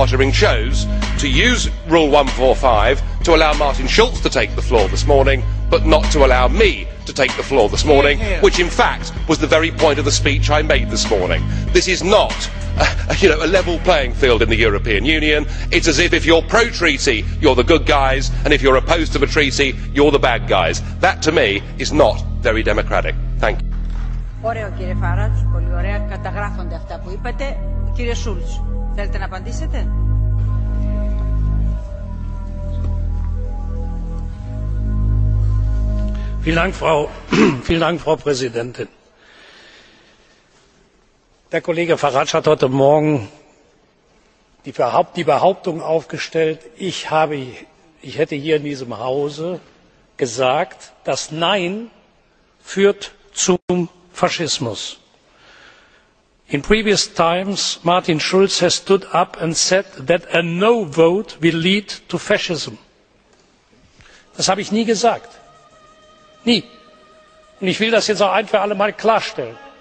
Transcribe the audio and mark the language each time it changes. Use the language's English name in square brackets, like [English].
[English] Pöttering, chose to use Rule 145 to allow Martin Schulz to take the floor this morning, but not to allow me to take the floor this morning, which in fact was the very point of the speech I made this morning. This is not a level playing field in the European Union. It's as if you're pro-treaty, you're the good guys, and if you're opposed to the treaty, you're the bad guys. That, to me, is not very democratic. Thank you. [Greek] Ωραίο, κύριε Φάρατζ, πολύ ωραία. Καταγράφονται αυτά που είπατε. Κύριε Σούλτς, θέλετε να απαντήσετε? [German] Vielen Dank, Frau Präsidentin. Der Kollege Farage hat heute Morgen die Behauptung aufgestellt, ich hätte hier in diesem Hause gesagt, das Nein führt zum Faschismus. [English] In previous times, Martin Schulz has stood up and said that a no vote will lead to fascism. [German] Das habe ich nie gesagt. Nie. Und ich will das jetzt auch ein für alle Mal klarstellen.